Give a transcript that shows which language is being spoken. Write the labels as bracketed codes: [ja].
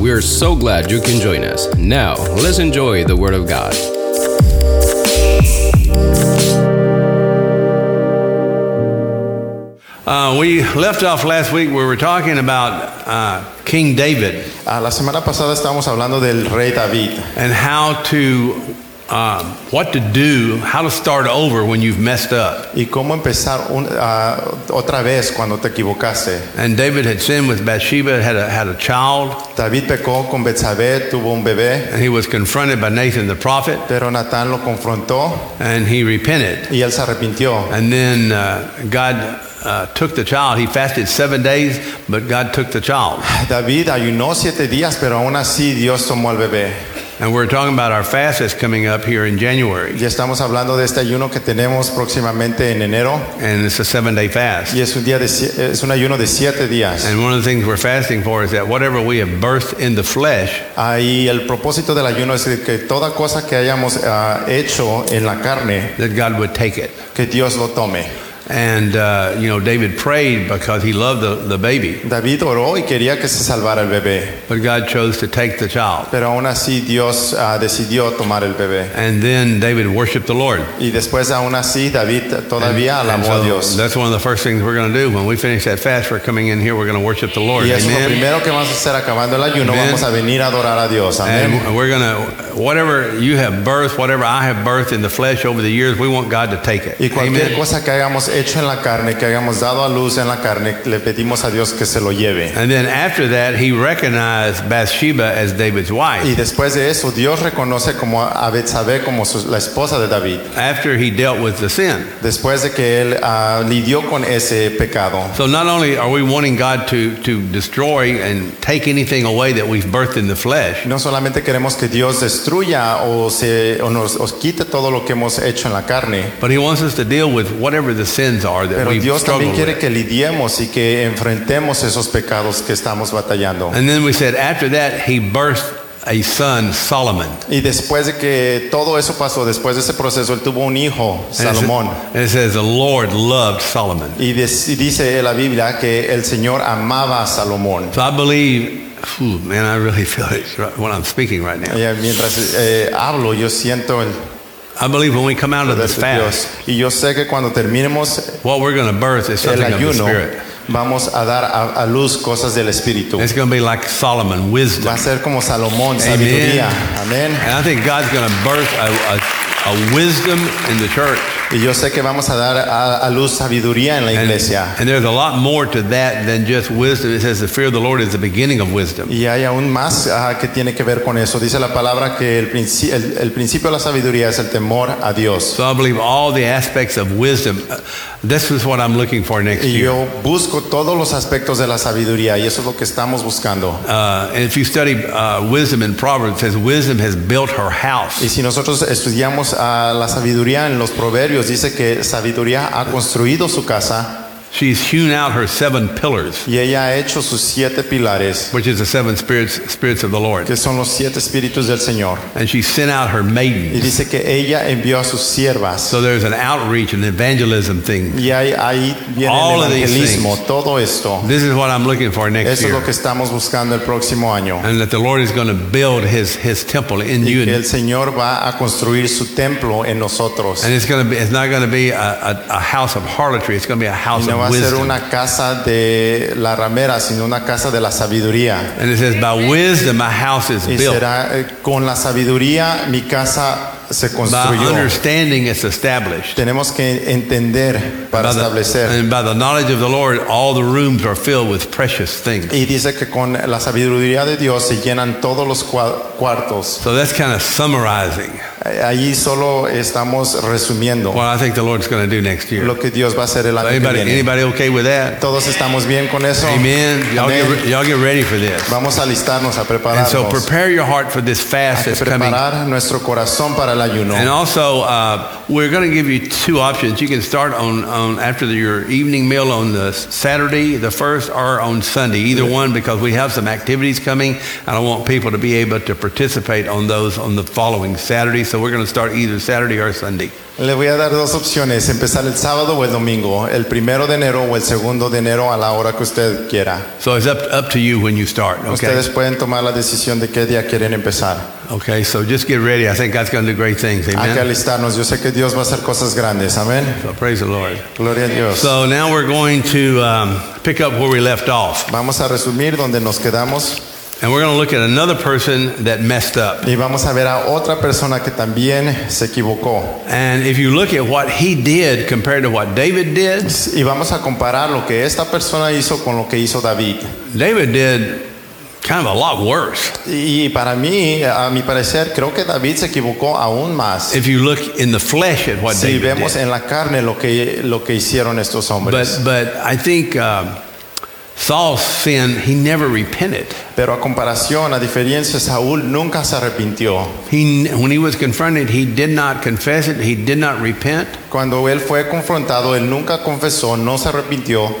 [en] We are so glad you can join us. Now, let's enjoy the Word of God. We left off last week where we were talking about King David. [es] La semana pasada estábamos hablando del Rey David. [en] And how to... what to do, how to start over when you've messed up. [es] Y cómo empezar otra vez cuando te equivocaste. [en] And David had sinned with Bathsheba, had a child. [es] David pecó con Betsabé, tuvo un bebé. [en] And he was confronted by Nathan the prophet. [es] Pero Natán lo confrontó. [en] And he repented. [es] Y él se arrepintió. [en] And then God took the child. He fasted 7 days, but God took the child. [es] David ayunó 7 días, pero aún así Dios tomó al bebé. [en] And we're talking about our fast that's coming up here in January. [es] Ya estamos hablando de este ayuno que tenemos próximamente en enero. [en] And it's a 7-day fast. [es] Y es un ayuno de 7 días. [en] And one of the things we're fasting for is that whatever we have birthed in the flesh. [es] Ahí el propósito del ayuno es que toda cosa que hayamos hecho en la carne. [en] That God would take it. [es] Que Dios lo tome. [en] And you know, David prayed because he loved the baby. [es] David oró y quería que se salvara el bebé. [en] But God chose to take the child. [es] Pero aún así Dios decidió tomar el bebé. [en] And then David worshiped the Lord. [es] Y después aún así David todavía alabó a Dios. [en] That's one of the first things we're going to do when we finish that fast. We're coming in here. We're going to worship the Lord. [es] Y es lo primero que vamos a hacer acabando el ayuno. [en] Amen. [es] Vamos a venir a adorar a Dios. Amen. [en] And we're going to whatever you have birthed, whatever I have birthed in the flesh over the years, we want God to take it. [es] Y cualquier cosa que hagamos hecho en la carne, que hayamos dado a luz en la carne, le pedimos a Dios que se lo lleve. [en] And then after that, he recognized Bathsheba as David's wife. [es] Y después de eso, Dios reconoce como a Betsabé como la esposa de David. [en] After he dealt with the sin. [es] Después de que él lidió con ese pecado. [en] So not only are we wanting God to destroy and take anything away that we've birthed in the flesh. [es] No solamente queremos que Dios destruya o nos quite todo lo que hemos hecho en la carne. [en] But he wants us to deal with whatever the sins are that [es] pero [en] we've [es] Dios [en] struggled [es] también quiere [en] with. [es] Que lidiemos y que enfrentemos esos pecados que estamos batallando. [en] And then we said after that he birthed a son Solomon. [es] Y después de que todo eso pasó, después de ese proceso, él tuvo un hijo, Salomón. [en] And it says the Lord loved Solomon. [es] Y dice en la Biblia que el Señor amaba a Salomón. [en] So I believe, man, I really feel it when I'm speaking right now. [es] Yeah, mientras hablo, yo siento el. [en] I believe when we come out of this fast, [es] y yo sé que cuando terminemos, [en] what we're going to birth is something [es] ayuno, [en] of the Spirit. [es] Vamos a dar a luz cosas del Espíritu. [en] It's going to be like Solomon, wisdom. [es] Va a ser como Salomón, sabiduría. Amen. [en] And I think God's going to birth a wisdom in the church. [es] Y yo sé que vamos a dar a luz sabiduría en la iglesia. [en] And there's a lot more to that than just wisdom. It says the fear of the Lord is the beginning of wisdom. [es] Y hay aún más que tiene que ver con eso. Dice la palabra que el principio de la sabiduría es el temor a Dios. [en] So I believe all the aspects of wisdom. This is what I'm looking for next year. [es] Y yo busco todos los aspectos de la sabiduría y eso es lo que estamos buscando. [en] And if you study wisdom in Proverbs, it says wisdom has built her house. [es] Y si nosotros estudiamos la sabiduría en los Proverbios, dice que sabiduría ha construido su casa. [en] She's hewn out her 7 pillars. [es] Y ella ha hecho sus 7 pilares. [en] Which is the 7 spirits of the Lord. [es] Que son los 7 espíritus del Señor. [en] And she sent out her maidens. [es] Y dice que ella envió a sus siervas. [en] So there's an outreach and evangelism thing. [es] Y ahí viene [en] all [es] el evangelismo, [en] of these [es] todo esto. [en] This is what I'm looking for next [es] eso [en] year. [es] Es lo que estamos buscando el próximo año. [en] And that the Lord is going to build his temple in [es] y [en] you. [es] Y que el Señor va a construir su templo en nosotros. [en] And it's not going to be a house of harlotry. It's going to be a house of [es] no va a ser una casa de la ramera, sino una casa de la sabiduría. [en] And it says, by wisdom my house is built. [es] Y será con la sabiduría mi casa se construyó. [en] By understanding it's established. [es] Tenemos que entender para establecer. [en] And by the knowledge of the Lord, all the rooms are filled with precious things. [es] Y dice que con la sabiduría de Dios se llenan todos los cuartos. [en] So that's kind of summarizing. [es] Allí solo estamos resumiendo. [en] What I think the Lord's going to do next year. [es] Lo que Dios va a hacer el año que viene. [en] Anybody okay with that? [es] Todos estamos bien con eso. [en] Amen. Y'all get ready for this. [es] Vamos a listarnos, a prepararnos. [en] And so prepare your heart for this fast that's coming. [es] A preparar nuestro corazón para el ayuno. [en] And also, we're going to give you 2 options. You can start on after your evening meal on the Saturday, the first, or on Sunday. Either one, because we have some activities coming, and I want people to be able to participate on those on the following Saturday. So we're going to start either Saturday or Sunday. [es] Le voy a dar dos opciones, empezar el sábado o el domingo, el primero de enero o el segundo de enero a la hora que usted quiera. [en] So it's up to you when you start, okay? [es] Ustedes pueden tomar la decisión de qué día quieren empezar. [en] Okay, so just get ready. I think God's going to do great things. Amen. [es] Hay que alistarnos. Yo sé que Dios va a hacer cosas grandes. Amen. [en] So praise the Lord. [es] Gloria a Dios. [en] So now we're going to pick up where we left off. [es] Vamos a resumir donde nos quedamos. [en] And we're going to look at another person that messed up. [es] Y vamos a ver a otra persona que también se equivocó. [en] And if you look at what he did compared to what David did, [es] y vamos a comparar lo que esta persona hizo con lo que hizo David. [en] David did kind of a lot worse. [es] Y para mí, a mi parecer, creo que David se equivocó aún más. [en] If you look in the flesh at what [es] si [en] David did. [es] Si vemos en la carne lo que hicieron estos hombres. [en] But I think Saul's sin, he never repented. [es] Pero a comparación, a diferencia, Saúl nunca se arrepintió. [en] When he was confronted, he did not confess it. He did not repent. [es] Cuando él fue confrontado, él nunca confesó, no se arrepintió.